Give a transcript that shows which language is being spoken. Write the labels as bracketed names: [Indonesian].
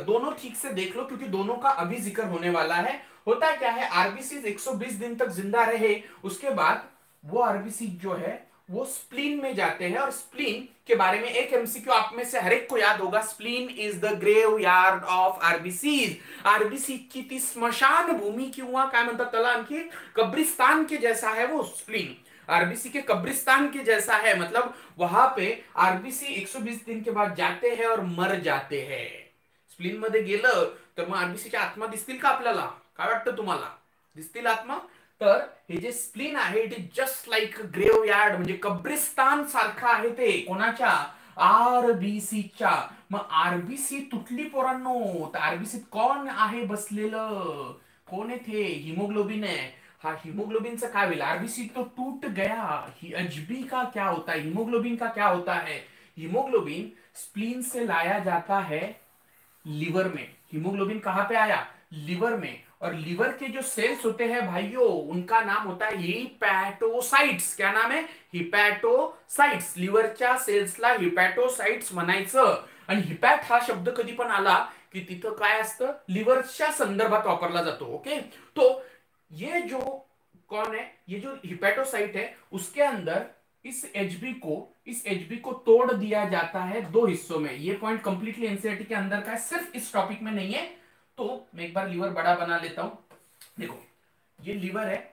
[Hindi] दोनों ठीक से देख लो क्योंकि दोनों का अभी जिक्र होने वाला है. होता क्या है, आरबीसी 120 दिन तक जिंदा रहे, उसके बाद वो आरबीसी जो है वो स्प्लीन में जाते हैं, और स्प्लीन के बारे में एक एमसीक्यू आप में से हर एक को याद होगा, [English] Spleen is the graveyard of RBC. [Hindi] RBC की ती स्मशान भूमि क्यों, क्या मतलब, तला की कब्रिस्तान के जैसा है वो स्प्लीन. आरबीसी के कब्रिस्तान के जैसा है, मतलब वहां पे आरबीसी 120 दिन के बाद जाते हैं और मर जाते हैं. [Marathi] स्प्लीन मध्ये गेलं तर मग आरबीसी च्या आत्मा दिसतील का आपल्याला? काय वाटतं तुम्हाला, दिसतील आत्मा? तर हे जे स्प्लीन आहे, [English] it is just like graveyard, [Marathi] म्हणजे कब्रिस्तान सारखा आहे ते. कोणाच्या? आरबीसी च्या. मग आरबीसी तुटली पोरांनो, तर आरबीसीत कोण आहे बसलेलं? कोण आहे ते? हिमोग्लोबिन आहे. हा हिमोग्लोबिनच काय होईल? [Hindi] आरबीसी तो तूट गया, ही एचबी का क्या होता है, हिमोग्लोबिन का क्या होता है? हिमोग्लोबिन स्प्लीन से लाया जाता है लिवर में. हिमोग्लोबिन कहां पे आया? लिवर में. और लिवर के जो सेल्स होते हैं भाइयों, उनका नाम होता है हिपैटोसाइट्स. क्या नाम है? हिपैटोसाइट्स. [Marathi] लिवर च्या सेल्सला हिपैटोसाइट्स म्हणायचं. आणि हिपॅट हा शब्द कधी पण आला की तिथं काय असतं? लिवरच्या संदर्भात वापरला जातो. [Hindi] ओके, तो ये जो कौन है, ये जो हिपैटोसाइट है, उसके अंदर इस एचबी को तोड़ दिया जाता है दो हिस्सों में. ये पॉइंट कंप्लीटली एनसीईआरटी के अंदर का है, सिर्फ इस टॉपिक में नहीं है. तो मैं एक बार लीवर बड़ा बना लेता हूं. देखो ये लीवर है